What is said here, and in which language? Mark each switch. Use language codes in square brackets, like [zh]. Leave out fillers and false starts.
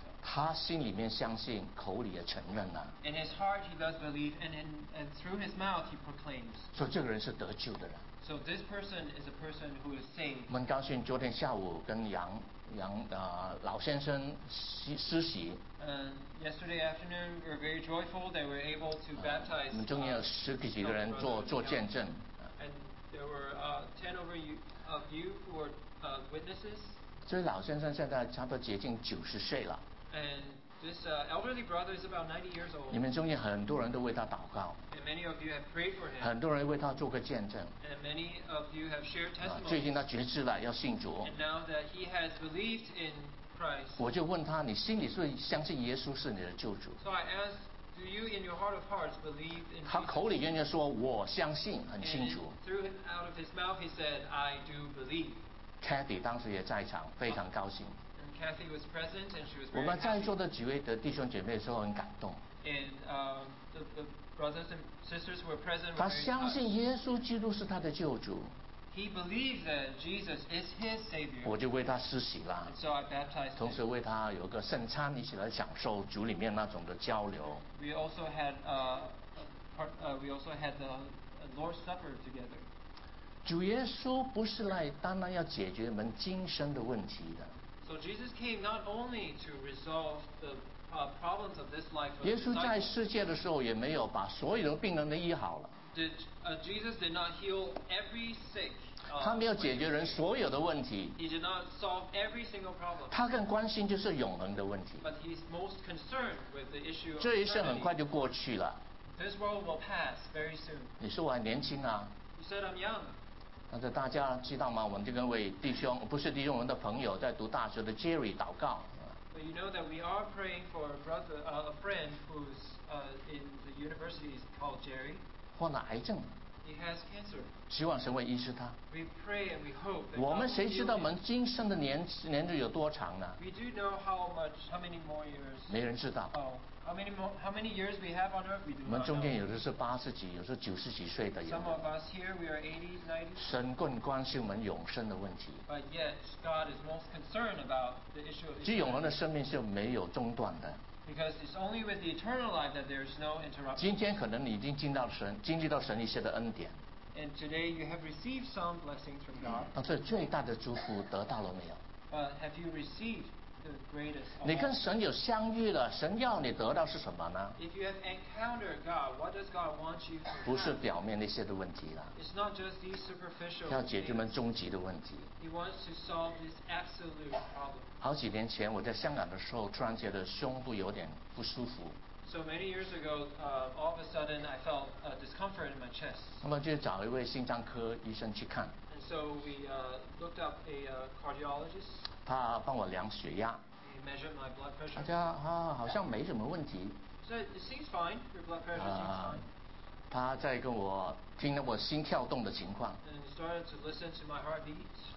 [zh] 他心里面相信，口里也承认了。 [en] In his heart he does believe, and through his mouth he proclaims. [zh] 所以这个人是得救的人。 [en] So this person is a person who is saved. [zh] 我们高兴昨天下午跟杨老先生施洗。 [en] Yesterday afternoon we were very joyful that we were able to baptize. [zh] 我们中间有十几个人做见证。 [en] And there were ten over you of you who were witnesses. [zh] 这位老先生现在差不多接近90岁了。 [en] And this elderly brother is about 90 years old. [zh] 你们中间很多人都为他祷告。 [en] And many of you have prayed for him. [zh] 很多人为他做个见证。 [en] And many of you have shared testimony. [zh] 最近他决志了，要信主。 [en] And now that he has believed in Christ. [zh] 我就问他，你心里是相信耶稣是你的救主？ [en] So I asked, do you in your heart of hearts believe in? [zh] 他口里愿意说，我相信，很清楚。 [en] And through out of his mouth, he said, I do believe. [zh] Kathy 当时也在场，非常高兴。 [en] Kathy was present and she was very [zh] 我们在座的几位的弟兄姐妹说很感动。 [en] And the brothers and sisters who were present. [zh] 他相信耶稣基督是他的救主。 [en] He believes that Jesus is his savior. [zh] 我就为他施洗了。 [en] So I baptized. [zh] 同时为他有个圣餐，一起来享受主里面那种的交流。 [en] We also had the Lord's Supper together. [zh] 主耶稣不是来单单要解决我们今生的问题的。 [en] So Jesus came not only to resolve the problems of this life. [zh] 耶稣在世界的时候也没有把所有的病人都医好了。 [en] Jesus did not heal every sick. [zh] 他没有解决人所有的问题。 [en] He did not solve every single problem. [zh] 他更关心就是永恒的问题。 [en] But he's most concerned with the issue of eternity. [zh] 这一生很快就过去了。 [en] This world will pass very soon. [zh] 你说我还年轻啊。 [en] You said I'm young. [zh] 但是大家知道吗？我们这个位弟兄，不是弟兄，我们的朋友，在读大学的 Jerry 祷告。 [en] But you know that we are praying for a brother, a friend who's in the university is called Jerry. [zh] 患了癌症。 [en] He has cancer. [zh] 希望神会医治他。 [en] We pray and we hope that. [zh] 我们谁知道我们今生的年日有多长呢 [en] ？We do know how many more years. [zh] 没人知道。 [en] Oh, how many years we have on earth? We do not know. [zh] 我们中间有的是八十几，有的是九十几岁的。 [en] Some of us here we are 80s, 90s. [zh] 神更关心我们永生的问题。 [en] But yet God is most concerned about the issue of. [zh] 这永恒的生命是没有中断的。 [en] Because it's only with the eternal life that there is no interruption. [zh] 今天可能你已经经历到神，经历到神一些的恩典。 [en] And today you have received some blessings from God. [zh] 那这最大的祝福得到了没有？ [en] Have you received the greatest? [zh] 你跟神有相遇了，神要你得到是什么呢？ [en] If you have encountered God, what does God want you to have? [zh] 不是表面那些的问题了。 [en] It's not just these superficial. [zh] 要解决我们终极的问题。 [en] He wants to solve this absolute problem. [zh] 好几年前我在香港的时候突然觉得胸部有点不舒服 [en] so many years ago all of a sudden I felt a discomfort in my chest [zh] 那么就找一位心脏科医生去看 [en] and so we looked up a cardiologist [zh] 他帮我量血压 [en] he measured my blood pressure [zh] 大家、好像没什么问题 [en] so it seems fine your blood pressure seems fine [zh] 他在跟我听了我心跳动的情况 [en] and he started to listen to my heartbeat